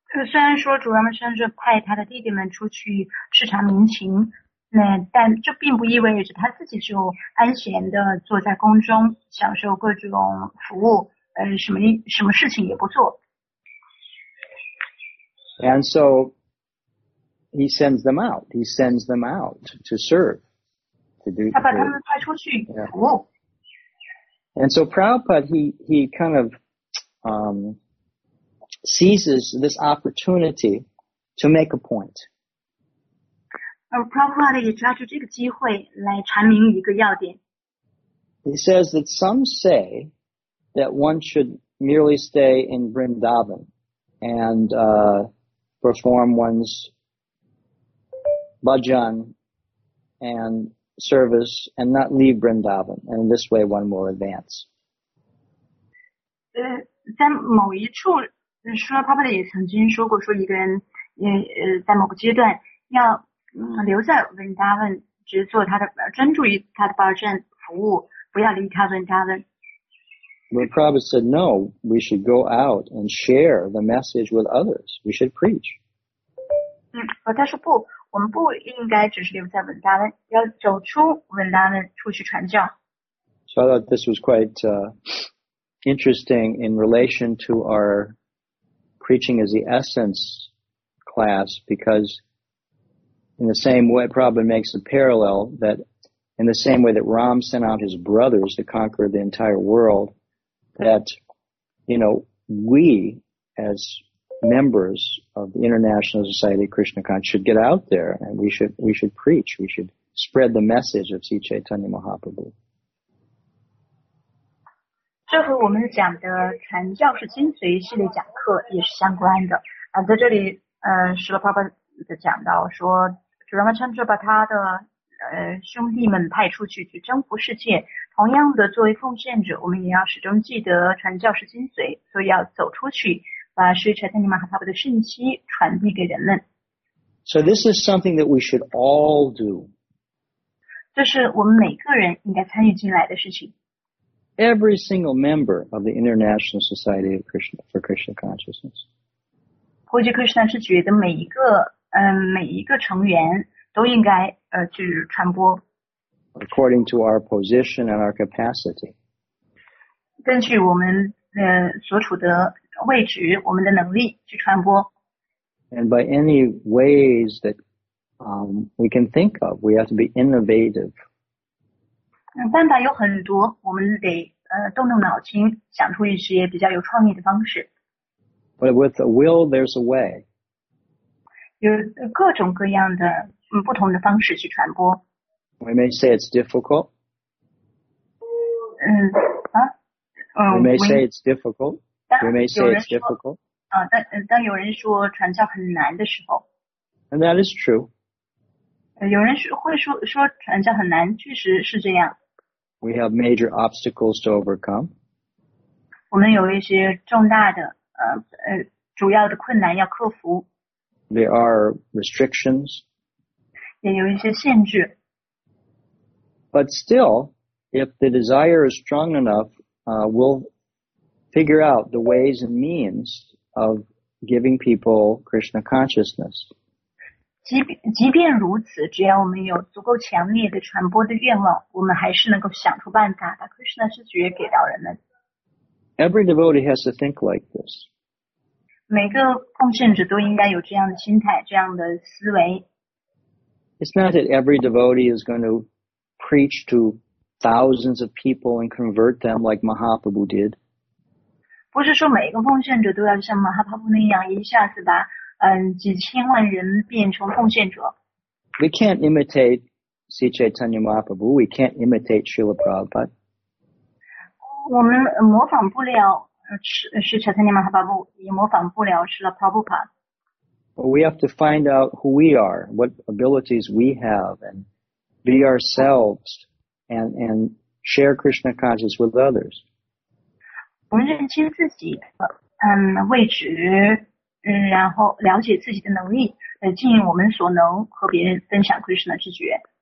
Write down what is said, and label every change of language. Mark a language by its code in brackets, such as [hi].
[zh] 虽然说主 Ramachandra 派他的弟弟们出去视察民情，但这并不意味着他自己就安闲地坐在宫中享受各种服务，什么事情也不做。 [en] And so he sends them out. He sends them out to serve, to do. [zh] 他把他们派出去服务。 [en] Yeah. And so Prabhupada he kind of. Seizes this opportunity to make a point. [zh] Prabhupada 也抓住这个机会来阐明一个要点。 [en] He says that some say that one should merely stay in Vrindavan and perform one's bhajan and service and not leave Vrindavan, and in this way one will advance. [zh] 在某一处，Srila Prabhupada也曾经说过，说一个人在某个阶段要留在 Vrindavan 只做他的专注于他的 bhajan 服务，不要离开 Vrindavan。 [en] But Prabhupada said, "No, we should go out and share the message with others. We should preach." [zh] 他说不，我们不应该只是留在 Vrindavan， 要走出 Vrindavan 出去传教。 [en] So So I thought this was quite interesting in relation to our preaching as the essence class, because in the same way, probably makes a parallel that in the same way that Ram sent out his brothers to conquer the entire world, that, you know, we as members of the International Society of Krishna Consciousness should get out there and we should preach, we should spread the message of Sri Chaitanya Mahaprabhu. [zh] 这和我们讲的传教士精髓系列讲课也是相关的。在这里石罗帕帕讲到说，主拉玛昌哲把他的兄弟们派出去征服世界，同样的作为奉献者，我们也要始终记得传教士精髓，所以要走出去，把Sri Chaitanya Mahaprabhu的讯息传递给人们。 [en] So this is something that we should all do. [zh] 这是我们每个人应该参与进来的事情。 [en] Every single member of the International Society of Krishna, for Krishna Consciousness. [zh] Hoji Krishna 是觉得每一个成员都应该去传播。 [en] According to our position and our capacity. [zh] 根据我们所处的位置，我们的能力去传播。 [en] And by any ways that we can think of, we have to be innovative. [zh] 办法有很多，我们得动动脑筋，想出一些比较有创意的方式。 [en] But with a will, there's a way. [zh] 有各种各样的不同的方式去传播。 [en] We may say it's difficult. We may say it's difficult. We may say it's difficult. [zh] 当有人说传教很难的时候。 [en] And that is true. [zh] 有人会说传教很难，确实是这样。 [en] We have major obstacles to overcome. [zh] 我们有一些重大的主要的困难要克服。 [en] There are restrictions. [zh] 也有一些限制。 [en] But still, if the desire is strong enough, we'll figure out the ways and means of giving people Krishna consciousness. [zh] 即便如此，只要我们有足够强烈的传播的愿望，我们还是能够想出办法把 Krishna 知觉给到人们。 [en] Every devotee has to think like this. [zh] 每个奉献者都应该有这样的心态，这样的思维。 [en] It's not that every devotee is going to preach to thousands of people and convert them like Mahaprabhu did. [zh] 不是说每一个奉献者都要像 Mahaprabhu 那样一下子吧。几千万人变成奉献者。 [en] We can't imitate Sri Chaitanya Mahaprabhu. We can't imitate Srila Prabhupada. [zh] 我们模仿不了Sri Chaitanya Mahaprabhu, 也模仿不了 Srila Prabhupada. [en] We have to find out who we are, what abilities we have, and be ourselves, and share Krishna consciousness with others. [zh] 我们认清自己的位置。然后了解自己的能力，尽我们所能和别人分享 Krishna 之觉。